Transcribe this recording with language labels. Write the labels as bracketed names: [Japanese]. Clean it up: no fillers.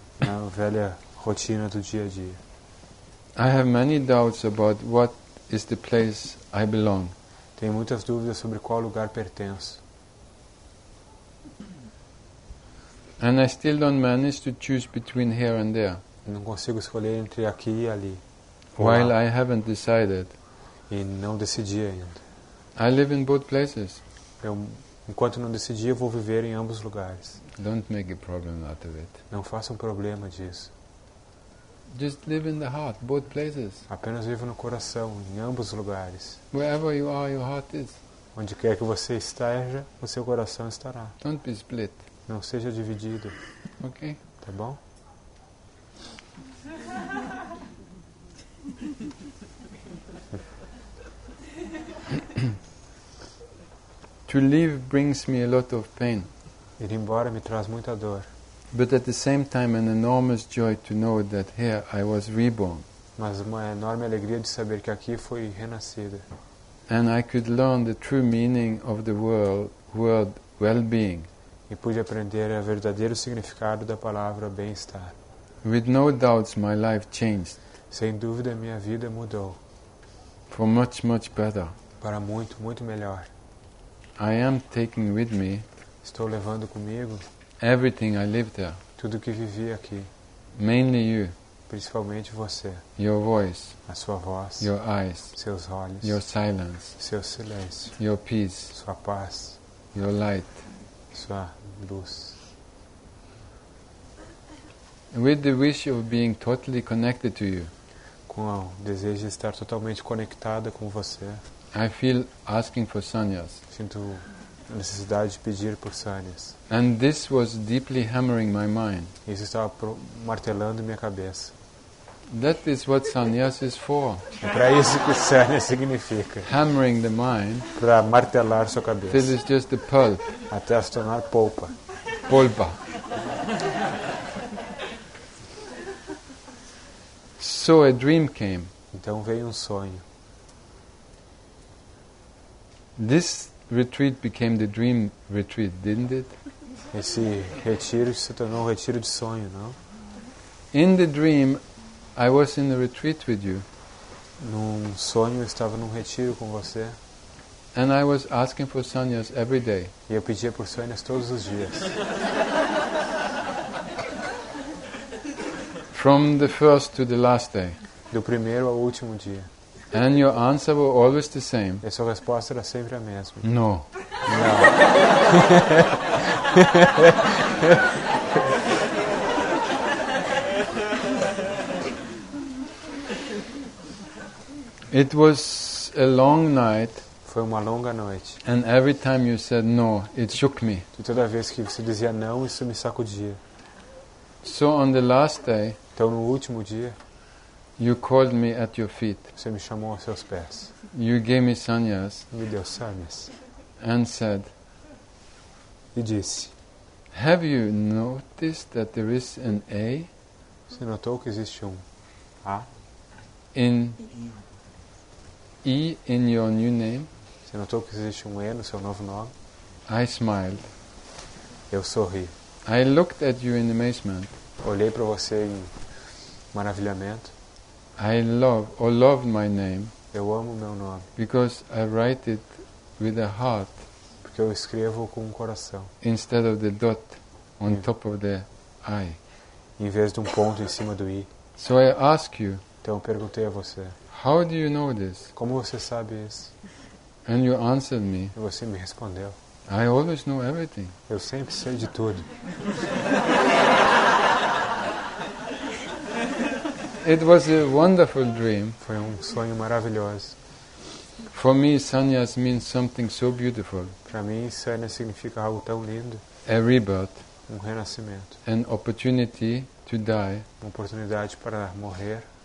[Portuguese] Na velha rotina do dia a dia. [English] I have many doubts about what is the place I belong. [Portuguese] Tenho muitas dúvidas sobre qual lugar pertenço. [English] And I still don't manage to choose between here and there. [Portuguese] Não consigo escolher entre aqui e ali. [English] While I haven't decided. [Portuguese] E não decidi ainda. [English] I live in both places. [Portuguese] Enquanto não decidi, eu vou viver em ambos lugares. [English] Don't make a problem out of it. [Portuguese] Não faça problema disso. [English] Just live in the heart, both places. [Portuguese] Apenas viva no coração, em ambos lugares. [English] Wherever you are, your heart is. [Portuguese] Onde quer que você esteja, o seu coração estará. [English] Don't be split. [Portuguese] Não seja dividido. [English] Ok. [Portuguese] Tá bom? [English] To leave brings me a lot of pain. [Portuguese] Ir embora me traz muita dor. [English] But at the same time an enormous joy to know that here I was reborn. [Portuguese] Mas uma enorme alegria de saber que aqui fui renascida. [English] And I could learn the true meaning of the word well-being. [Portuguese] E pude aprender o verdadeiro significado da palavra bem-estar. [English] With no doubts my life changed. [Portuguese] Sem dúvida minha vida mudou. [English] For much, much better. [Portuguese] Para muito, muito melhor. [English] I am taking with me. [Portuguese] Estou levando comigo. [English] Everything I lived there. [Portuguese] Tudo que vivi aqui. [English] Mainly you. [Portuguese] Principalmente você. [English] Your voice. [Portuguese] A sua voz. [English] Your eyes. [Portuguese] Seus olhos. [English] Your silence. [Portuguese] Seu silêncio. [English] Your peace. [Portuguese] Sua paz. [English] Your light. [Portuguese] Sua luz. [English] With the wish of being totally connected to you. [Portuguese] Com o desejo de estar totalmente conectada com você. [English] I feel asking for sannyas. [Portuguese] Sinto necessidade de pedir por sannyas. [English] And this was deeply hammering my mind. [Portuguese] Isso estava martelando minha cabeça. [English] That is what sannyas is for. [Portuguese] É para isso que sannyas significa. [English] Hammering the mind. [Portuguese] Para martelar sua cabeça. [English] This is just the pulp. [Portuguese] Até se tornar polpa. Polpa. [English] So a dream came. [Portuguese] Então veio sonho. [English] This retreat became the dream retreat, didn't it? [Portuguese] Esse retiro se tornou retiro de sonho, não? [English] In the dream, I was in a retreat with you. [Portuguese] Num sonho, eu estava num retiro com você. [English] And I was asking for sannyas every day. [Portuguese] E eu pedia por sannyas todos os dias. [English] From the first to the last day. [Portuguese] Do primeiro ao último dia. [English] And your answer was always the same. [Portuguese] E sua resposta era sempre a mesma. [English] No. No. It was a long night. [Portuguese] Foi uma longa noite. [English] And every time you said no, it shook me. [Portuguese] E toda vez que você dizia não, isso me sacudia. [English] So on the last day, [Portuguese] então no último dia, [English] you called me at your feet. [Portuguese] Você me chamou aos seus pés. [English] You gave me sannyas. [Portuguese] Me deu sannyas. [English] And said, [Portuguese] e disse, [English] have you noticed that there is an A? [Portuguese] Você notou que existe A? [English] In your new name. [Portuguese] Você notou que existe E no seu novo nome? [English] I smiled. [Portuguese] Eu sorri. [English] I looked at you in amazement. [Portuguese] Olhei para você em maravilhamento. [English] I love or loved my name. [Portuguese] Eu amo meu nome. [English] Because I write it with a heart. [Portuguese] Porque eu escrevo com um coração. [English] Instead of the dot on top of the I. [Portuguese] Em vez de ponto em cima do I. [English] So I ask you. [Portuguese] Então eu perguntei a você. [English] How do you know this? [Portuguese] Como você sabe isso? [English] And you answered me. [Portuguese] E você me respondeu. [English] I always know everything. [Portuguese] Eu sempre sei de tudo. [English] It was a wonderful dream. [Portuguese] Foi sonho maravilhoso. [English] For me, sannyas means something so beautiful. [Portuguese] Para mim, sannyas significa algo tão lindo. [English] A rebirth. [Portuguese] Renascimento. [English] An opportunity to die. [Portuguese] Uma oportunidade para morrer.